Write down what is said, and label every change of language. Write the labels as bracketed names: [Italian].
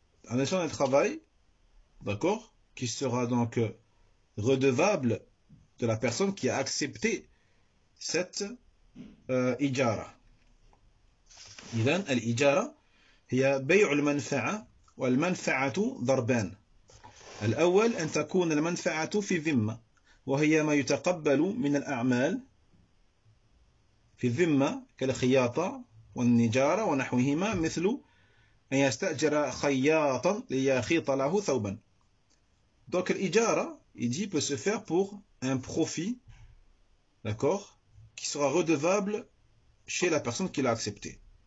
[French] En échange d'un travail, d'accord, qui sera donc redevable de la personne qui a accepté cette إجارة. [Arabic] إذن الإجارة هي بيع المنفعة، والمنفعة ضربان. الأول أن تكون المنفعة في ذمة، وهي ما يتقبل من الأعمال في الذمة كالخياطة والنجارة ونحوهما، مثل أن يستأجر خياطا ليخيط له ثوبا. دونك الإجارة يجي [French] peut se faire pour un profit, d'accord, qui sera redevable chez la personne qui l'a accepté.